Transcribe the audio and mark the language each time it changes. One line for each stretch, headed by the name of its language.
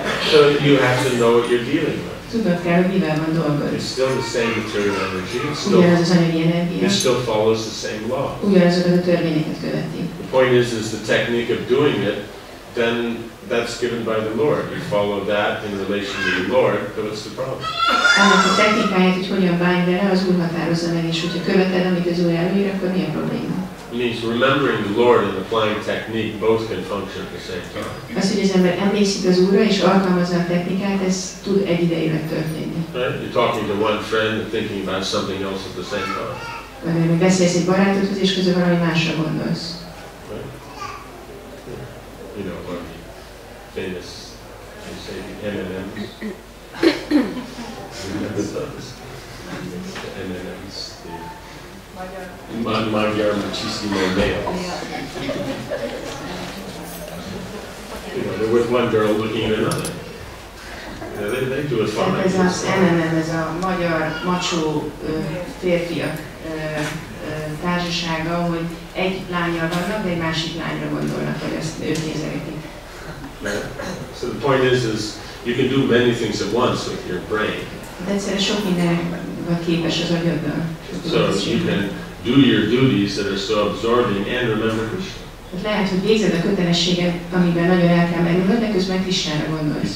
English: So you have to know what you're dealing with.
Hungarian: Tudod kell, hogy mivel van dolgod.
English: It's still the same material energy. It still follows the same law.
Hungarian: Ugyanazokat a törvényeket követi.
English: The point is the technique of doing it, then that's given by the Lord. You follow that in relation to the Lord, but what's the problem?
Hungarian: Annak a technikáját, hogy hogyan bánj vele, az Úr határozza meg, és hogyha követed, amit az Úr előír, akkor mi a probléma?
English: It means remembering the Lord and applying technique both can function at the same time.
Hungarian: Az, hogy az ember emlékszik az Úrra és alkalmazza a technikát, ez tud egyidejűleg történni.
English: Right? You're talking to one friend and thinking about something else at the same time.
Hungarian: Beszélsz egy barátodhoz és közben valami másra gondolsz.
English: Right? You know, one of the famous, you say the M&M's. Remember those? The M&M's. Magyar Machissimo male. You know, they're with one girl looking at another. You know, they do it fine.
Hungarian: Ez az MMM, ez a magyar macsó férfiak társasága, hogy egy lányjal vannak, de egy másik lányra gondolnak, hogy ezt ők nézegetik.
English: So the point is you can do many things at once with your brain.
Hungarian: De egyszerűen sok mindenre képes az agyaddal.
English: So you can do your duties that are so absorbing and remember Krishna.
Hungarian: Lehet, hogy végzed a kötelességet, amiben nagyon el kell menni, de közben Krishnára gondolsz.